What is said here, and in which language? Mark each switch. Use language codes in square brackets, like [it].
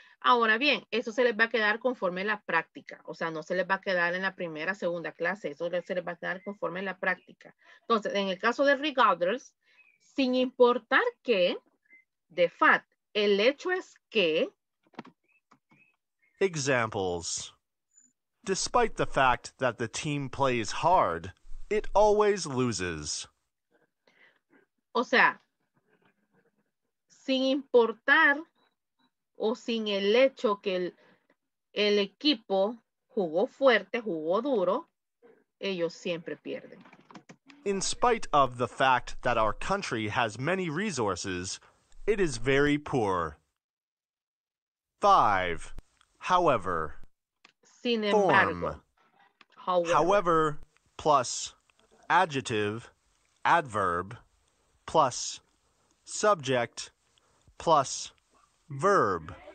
[es] Ahora bien, eso se les va a quedar conforme la práctica. O sea, no se les va a quedar en la primera, segunda clase. Eso se les va a quedar conforme la práctica. Entonces, en el caso de regardless, sin importar que, de fact, el hecho es que. [en] Examples. Despite the fact that the team plays hard, it always loses. [es] O sea, sin importar o sin el hecho que el equipo jugó fuerte, jugó duro, ellos siempre pierden. [en] In spite of the fact that our country has many resources, it is very poor. 5. However. [es] Sin embargo. [en] Form. However. However plus adjective, adverb, plus subject, plus verb.